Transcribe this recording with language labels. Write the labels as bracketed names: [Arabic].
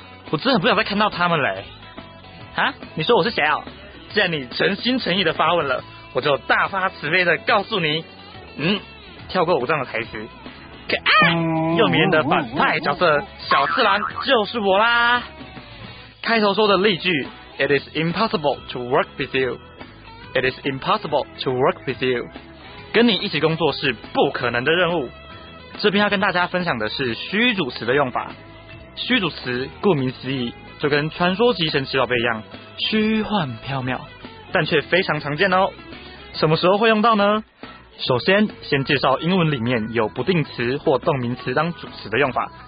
[Chinese] 我真的很不想再看到他们嘞。啊？你说我是谁啊？既然你诚心诚意的发问了。我就大发慈悲的告诉你，跳过武藏的台词，可爱又迷人的反派角色小次郎就是我啦。开头说的例句 ， [English] It is impossible to work with you. It is impossible to work with you. [Chinese] 跟你一起工作是不可能的任务。这边要跟大家分享的是虚主词的用法。虚主词顾名思义，就跟传说级神奇宝贝一样，虚幻缥缈，但却非常常见哦。什么时候会用到呢？首先，先介绍英文里面有不定词或动名词当主词的用法。